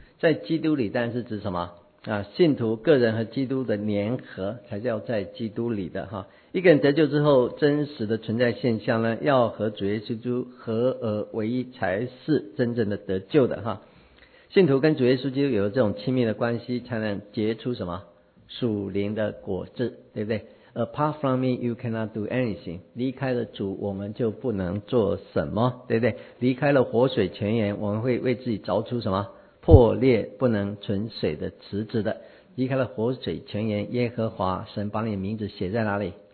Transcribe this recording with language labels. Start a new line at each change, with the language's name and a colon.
Chinese: 在基督里，当然是指什么啊？信徒个人和基督的联合才叫在基督里的哈。一个人得救之后，真实的存在现象呢，要和主耶稣合而为一，才是真正的得救的哈。信徒跟主耶稣基督有这种亲密的关系，才能结出什么属灵的果子，对不对？
English: Apart from me, you cannot do anything.
Chinese: 离开了主，我们就不能做什么，对不对？离开了活水泉源，我们会为自己凿出什么破裂不能存水的池子的。离开了活水泉源，耶和华神把你的名字写在哪里？